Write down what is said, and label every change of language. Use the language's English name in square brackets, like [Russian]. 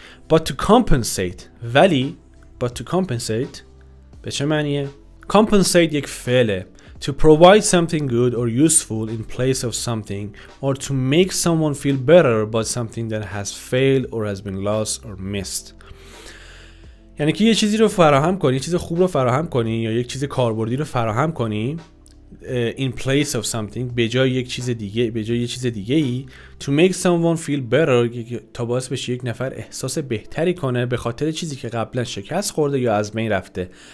[English] But to compensate [Persian] به چه معنیه؟ compensate یک فعله. [English] To provide something good or useful in place of something or to make someone feel better about something that has failed or has been lost or missed. [Persian] یعنی که یه چیزی رو فراهم کنی، یه چیز خوب رو فراهم کنی یا یک چیز کاربردی رو فراهم کنی [English] in place of something، [Persian] به جای یک چیز دیگه، به جای یه چیز دیگه ای. [English] To make someone feel better [Persian] تا باعث بشه یک نفر احساس بهتری کنه به خاطر چیزی که قبلا شکست خورده یا از بین رفته.